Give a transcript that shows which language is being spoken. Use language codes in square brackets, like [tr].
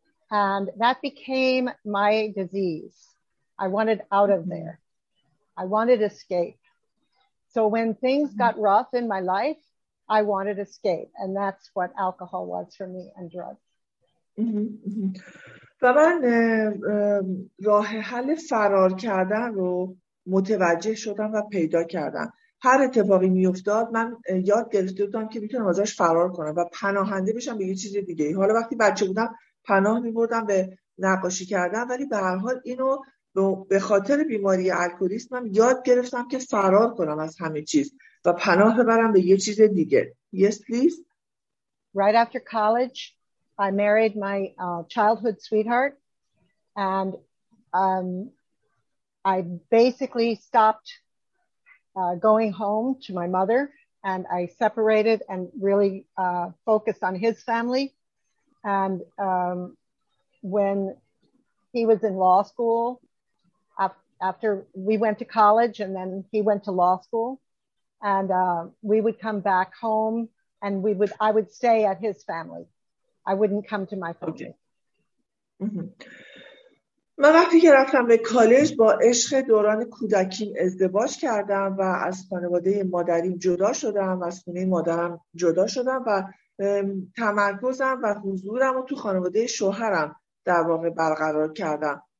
[en] And that became my disease. I wanted out of there. I wanted escape. So when things got rough in my life, I wanted escape. And that's what alcohol was for me and drugs. [fa] و من راه حل فرار کردن رو متوجه شدم و پیدا کردم. هر اتفاقی می افتاد من یاد گرفته بودم که میتونم ازش فرار کنم و پناهنده بشم به یه چیز دیگه. حالا وقتی بچه بودم پناه می بردم به نقاشی کردن، ولی به هر حال اینو به خاطر بیماری الکلیسم من یاد گرفتم که فرار کنم از همه چیز و پناه ببرم به یه چیز دیگه. [en] Yes, please. Right after college, I married my childhood sweetheart, and I basically stopped going home to my mother, and I separated and really focused on his family. And when he was in law school, after we went to college and then he went to law school, and we would come back home, and I would stay at his family. I wouldn't come to my family. [fa] من وقتی که رفتم به کالج با عشق دوران کودکیم ازدواج کردم و از خانواده مادریم جدا شدم و از خونه مادرم جدا شدم و تمرکزم و حضورم رو تو خانواده شوهرم در واقع برقرار کردم.